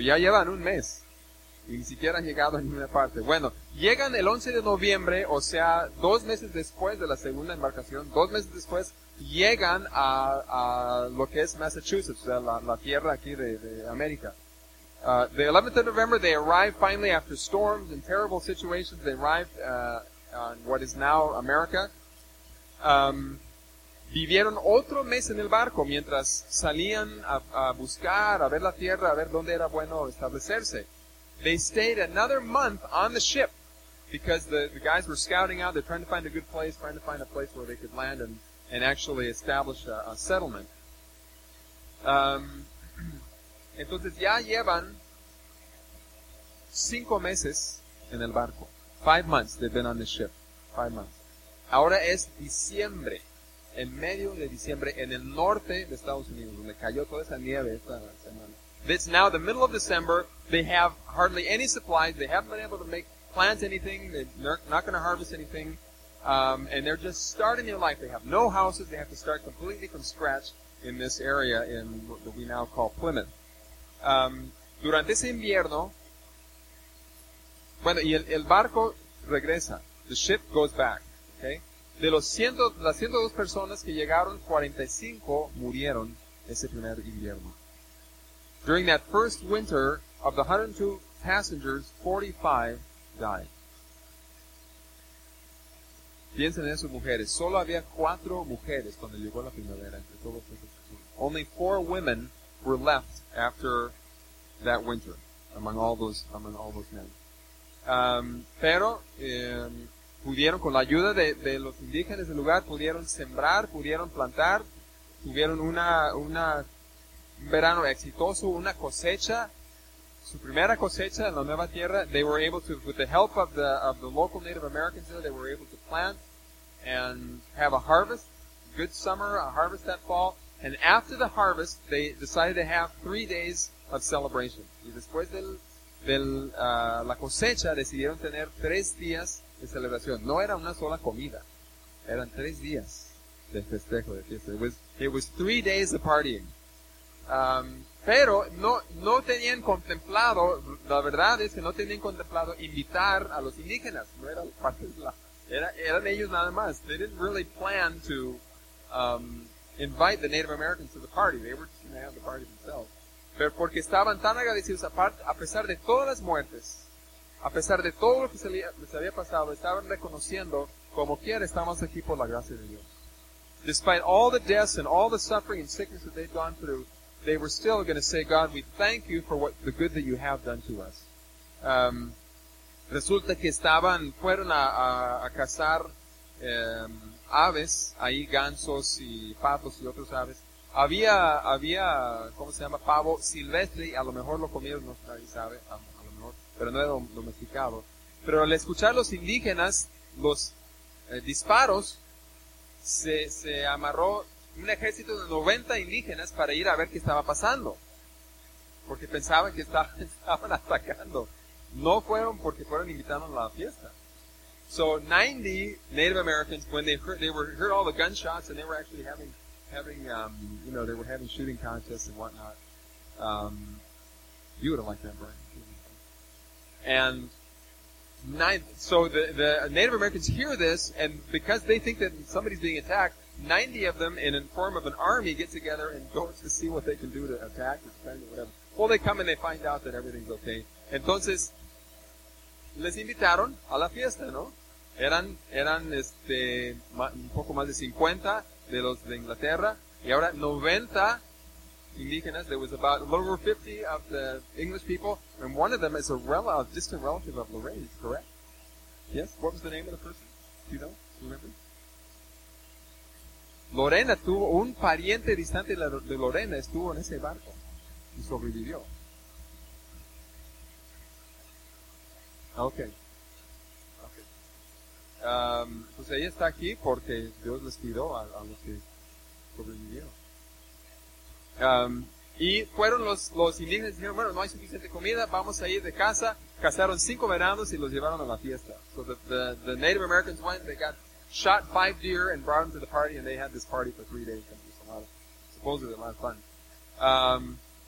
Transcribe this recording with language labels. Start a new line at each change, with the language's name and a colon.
Spanish: Ya llevan un mes y ni siquiera han llegado a ninguna parte. Bueno, llegan el 11 de noviembre, o sea, dos meses después de la segunda embarcación. Dos meses después. Llegan a lo que es Massachusetts, la tierra aquí de América.
English: The 11th of November, they arrived finally after storms and terrible situations. They arrived on what is now America.
Spanish: Vivieron otro mes en el barco mientras salían a buscar, a ver la tierra, a ver dónde era bueno establecerse.
English: They stayed another month on the ship because the guys were scouting out. They're trying to find a good place, trying to find a place where they could land and actually establish a settlement.
Spanish: Entonces ya llevan 5 meses en el barco.
English: 5 months they've been on the ship. 5 months.
Spanish: Ahora es diciembre. En medio de diciembre, en el norte de Estados Unidos, donde cayó toda esa nieve esta semana.
English: It's now the middle of December. They have hardly any supplies. They haven't been able to plant anything. They're not going to harvest anything. And they're just starting their life. They have no houses. They have to start completely from scratch in this area in what we now call Plymouth.
Spanish: Durante ese invierno, bueno, y el barco regresa.
English: The ship goes back.
Spanish: Okay? De los 102 personas que llegaron, 45 murieron ese primer invierno.
English: During that first winter, of the 102 passengers, 45 died.
Spanish: Piensen en esas mujeres. Solo había 4 mujeres cuando llegó la primavera. Entre todos esos.
English: Only 4 women were left after that winter among all those men.
Spanish: Pero pudieron con la ayuda de los indígenas del lugar pudieron sembrar, pudieron plantar, tuvieron un verano exitoso, una cosecha, su primera cosecha en la nueva tierra.
English: They were able to, with the help of the local Native Americans there, they were able to plant and have a harvest, good summer, a harvest that fall. And after the harvest, they decided to have 3 days of celebration.
Spanish: Y después de la cosecha, decidieron tener 3 días de celebración. No era una sola comida. Eran 3 días de festejo, de fiesta.
English: It was 3 days of partying.
Spanish: Pero no tenían contemplado, la verdad es que no tenían contemplado invitar a los indígenas. No era parte de la... Eran ellos nada más.
English: They didn't really plan to invite the Native Americans to the party. They were just going to have the party themselves.
Spanish: Pero porque estaban tan agradecidos, a pesar de todas las muertes, a pesar de todo lo que se les había pasado, estaban reconociendo, como quiera, estamos aquí por la gracia de Dios.
English: Despite all the deaths and all the suffering and sickness that they've gone through, they were still going to say, God, we thank you for what the good that you have done to us.
Spanish: Resulta que fueron a cazar aves, ahí gansos y patos y otros aves. Había, ¿cómo se llama? Pavo silvestre, a lo mejor lo comieron, no sabe, a lo mejor, pero no era domesticado. Pero al escuchar los indígenas, los disparos, se amarró un ejército de 90 indígenas para ir a ver qué estaba pasando. Porque pensaban que estaban atacando. No fueron porque fueron invitados a la fiesta.
English: So 90 Native Americans, when they heard all the gunshots and they were actually having shooting contests and whatnot. You would have liked that, Brian. And so the Native Americans hear this, and because they think that somebody's being attacked, 90 of them in the form of an army get together and go to see what they can do to attack or defend or whatever. Well, they come and they find out that everything's okay.
Spanish: Entonces, les invitaron a la fiesta, ¿no? Eran un poco más de 50 de los de Inglaterra, y ahora 90 indígenas.
English: There was about a little over 50 of the English people, and one of them is a distant relative of Lorraine, correct? Yes? What was the name of the person? Do you remember?
Spanish: Lorena tuvo un pariente distante de Lorena, estuvo en ese barco y sobrevivió. Okay. Pues ella está aquí porque Dios les cuidó a los que sobrevivieron. Y fueron los indígenas y dijeron, bueno, no hay suficiente comida, vamos a ir de casa. Cazaron 5 venados y los llevaron a la fiesta.
English: So the Native Americans went, they got shot 5 deer and brought them to the party, and they had this party for 3 days. And it was supposedly a lot of fun.